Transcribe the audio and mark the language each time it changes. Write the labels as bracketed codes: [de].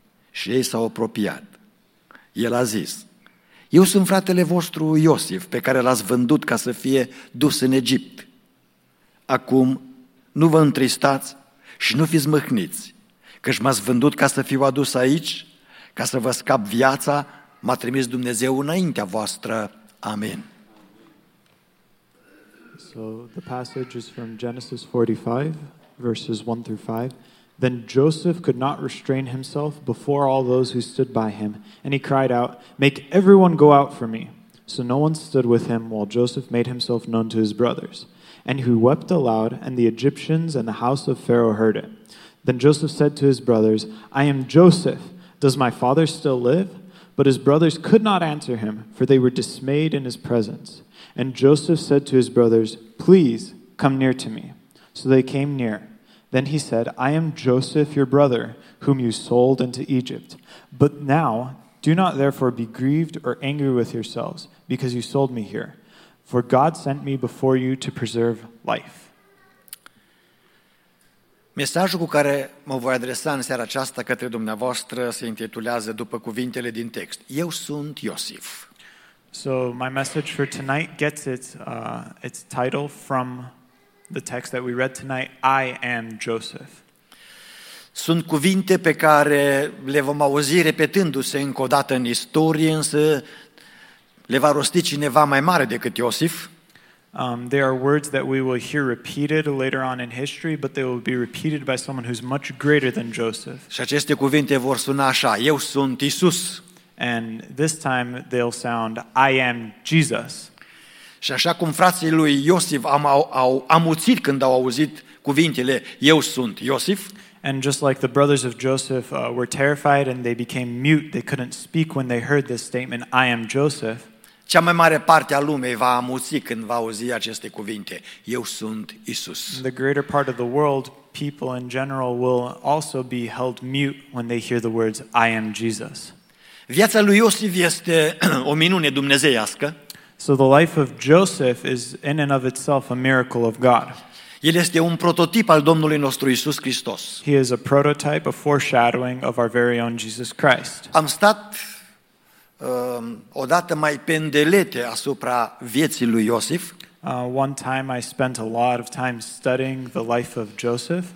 [ro] Și ei s-au apropiat. El a zis: eu sunt fratele vostru Iosif, pe care l-ați vândut ca să fie dus în Egipt. Acum nu vă întristați și nu fiți mâhniți, căci m-ați vândut ca să fiu adus aici, ca să vă scap viața, m-a trimis Dumnezeu înaintea voastră. Amen. [en] So the passage is from Genesis 45, verses 1 through 5. Then Joseph could not restrain himself before all those who stood by him, and he cried out, make everyone go out for me. So no one stood with him while Joseph made himself known to his brothers. And he wept aloud, and the Egyptians and the house of Pharaoh heard it. Then Joseph said to his brothers, I am Joseph. Does my father still live? But his brothers could not answer him, for they were dismayed in his presence. And Joseph said to his brothers, please come near to me. So they came near. Then he said, I am Joseph, your brother, whom you sold into Egypt. But now, do not therefore be grieved or angry with yourselves, because you sold me here. For God sent me before you to preserve life. [ro] Mesajul cu care mă voi adresa în seara aceasta către dumneavoastră se intitulează după cuvintele din text: eu sunt Iosif. [en] So my message for tonight gets its title from the text that we read tonight, I am Joseph. [ro] Sunt cuvinte pe care le vom auzi repetându-se încă o dată în istorie, însă le va rosti cineva mai mare decât Iosif. [en] There are words that we will hear repeated later on in history, but they will be repeated by someone who's much greater than Joseph. [ro] Și aceste cuvinte vor suna așa: eu sunt Isus. [en] And this time they'll sound, I am Jesus. [ro] Și așa cum frații lui Iosif au amuțit când au auzit cuvintele, eu sunt Iosif. [en] And just like the brothers of Joseph were terrified and they became mute, they couldn't speak when they heard this statement, I am Joseph. [ro] Cea mai mare parte a lumii va amuți când va auzi aceste cuvinte: eu sunt Isus. [en] The greater part of the world, people in general, will also be held mute when they hear the words, I am Jesus. [ro] Viața lui Iosif este o minune dumnezeiască. [en] So the life of Joseph is in and of itself a miracle of God. [ro] El este un prototip al Domnului nostru Isus Hristos. [en] He is a prototype, a foreshadowing of our very own Jesus Christ. [ro] Am stat odată mai pendelete asupra vieții lui Iosif. [en] One time I spent a lot of time studying the life of Joseph.